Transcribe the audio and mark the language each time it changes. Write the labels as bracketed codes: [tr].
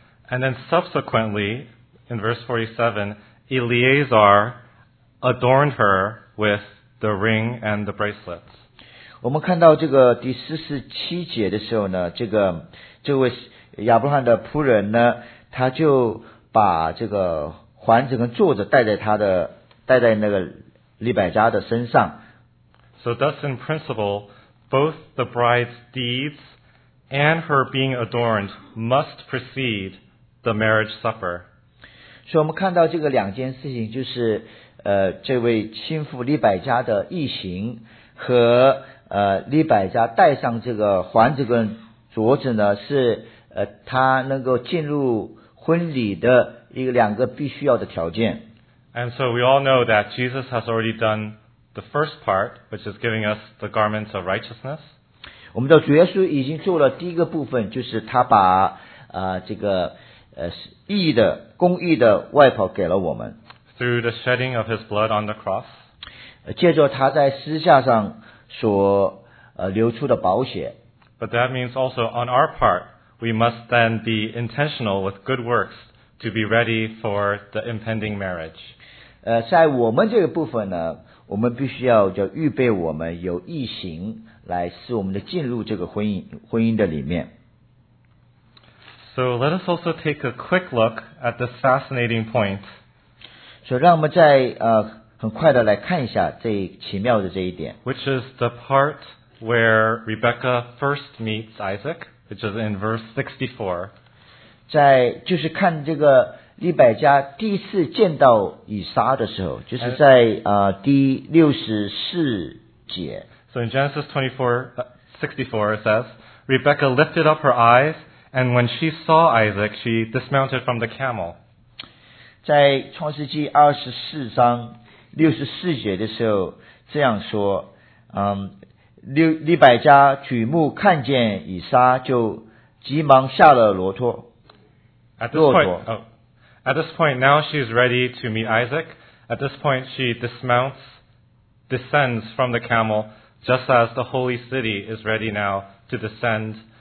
[en] And then subsequently, in verse 47, Eleazar adorned her with the ring and the bracelets. [zh] 我们看到这个第四十七节的时候呢，这位亚伯拉罕的仆人呢，他就把这个环子跟坐着戴在那个利百加的身上。 [en] So thus in principle, both the bride's deeds and her being adorned must precede The marriage supper. [zh] 所以我们看到这个两件事情，就是这位亲妇利百加的义行和利百加戴上这个环子跟镯子呢，是他能够进入婚礼的两个必须要的条件。 [en] And so we all know that Jesus has already done the first part, which is giving us the garments of righteousness. [zh] 我们的主耶稣已经做了第一个部分，就是他把这个义的公义的外袍给了我们 [en] through the shedding of his blood on the cross [zh] 借着他在十字架上所流出的宝血 [en] but that means also on our part we must then be intentional with good works to be ready for the impending marriage [zh] 在我们这个部分呢我们必须要就预备我们有义行来使我们的进入这个婚姻的里面 [en] So let us also take a quick look at this fascinating point. [zh] So 让我们再很快的来看一下这奇妙的这一点 [en] Which is the part where Rebecca first meets Isaac, which is in verse 64. [zh] 在就是看这个利百加第一次见到以撒的时候，就是在第六十四节 [en] So in Genesis 24, 64, it says, Rebecca lifted up her eyes. And when she saw Isaac, she dismounted from the camel. [zh] 在创世纪二十四章六十四节的时候这样说，利百加举目看见以撒，就急忙下了骆驼。 [en] At this point, now she is ready to meet Isaac. At this point, she descends from the camel, just as the holy city is ready now to descend.